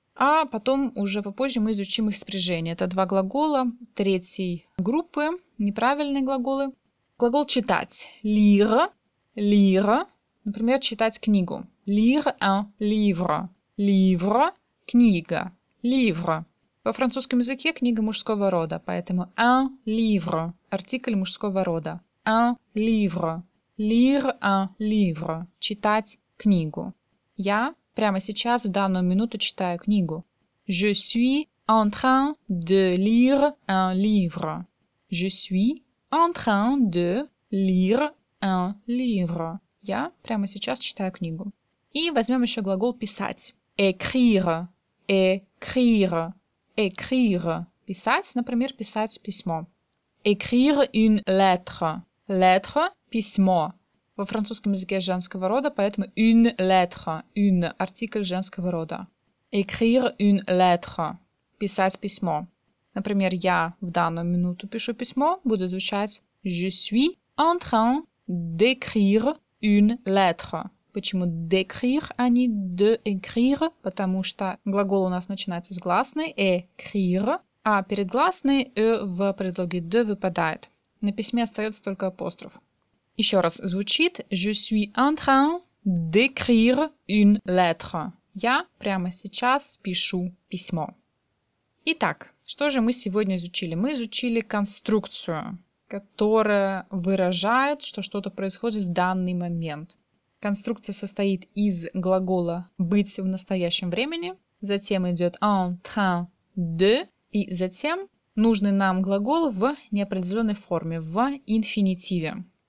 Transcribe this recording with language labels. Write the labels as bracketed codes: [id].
[ru] А потом уже попозже мы изучим их спряжение. Это два глагола третьей группы, неправильные глаголы. Глагол читать. [fr] Lire, lire. [ru] Например, читать книгу. [fr] Lire un livre. Livre – книга. Livre. [ru] Во французском языке книга мужского рода, поэтому un livre – артикль мужского рода. [fr] Un livre. Lire un livre – [ru] читать книгу. Я прямо сейчас, в данную минуту, читаю книгу. [fr] Je suis en train de lire un livre. Je suis en train de lire un livre. [ru] Я прямо сейчас читаю книгу. И возьмем еще глагол писать. [fr] Écrire. Écrire. Écrire. [ru] Писать, например, писать письмо. [fr] Écrire une lettre. [ru] Lettre – письмо. Во французском языке женского рода, поэтому une lettre. Une – артикль женского рода. [fr] Écrire une lettre. [ru] Писать письмо. Например, я в данную минуту пишу письмо, будет звучать [fr] «Je suis en train d'écrire une lettre». [ru] Почему «d'écrire», а не «d'écrire»? Потому что глагол у нас начинается с гласной «écrire», а перед гласной «e» в предлоге «de» выпадает. На письме остается только апостроф. Еще раз звучит [fr] «Je suis en train d'écrire une lettre». [ru] Я прямо сейчас пишу письмо. Итак, что же мы сегодня изучили? Мы изучили конструкцию, которая выражает, что что-то происходит в данный момент. Конструкция состоит из глагола «быть в настоящем времени», затем идет [fr] «en train de», [ru] и затем нужный нам глагол в неопределенной форме, в инфинитиве.